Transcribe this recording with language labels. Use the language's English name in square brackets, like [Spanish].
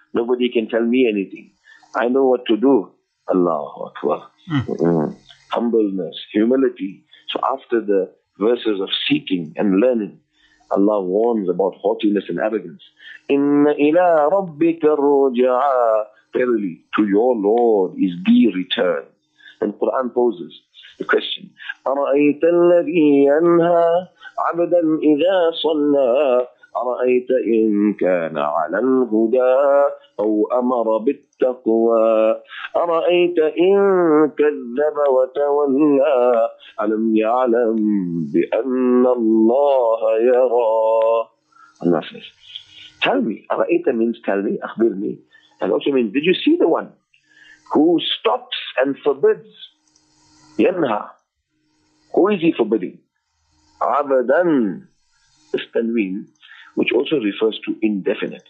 [English] Nobody can tell me anything. I know what to do. [Arabic] Allahu Akbar. [English] Humbleness, humility. So after the verses of seeking and learning, Allah warns about haughtiness and arrogance. [Arabic] Inna ila rabbika ruj'a. [English] Verily, to your Lord is the return. And Quran poses the question, [Arabic] أَرَأَيْتَ الَّذِي يَنْهَى عَبْدًا إِذَا صَلَّى أَرَأَيْتَ إِنْ كَانَ عَلَى الْهُدَى أَوْ أَمَرَ بِالتَّقْوَى أَرَأَيْتَ إِنْ كَذَّبَ وَتَوَلَّى أَلَمْ يَعْلَمْ بِأَنَّ اللَّهَ يَرَى. [English] Allah says, tell me, أَرَأَيْتَ means tell me, أخبر me. And also means, did you see the one who stops and forbids? Yanha. Who is he forbidding? Abadan. This tanween, which also refers to indefinite.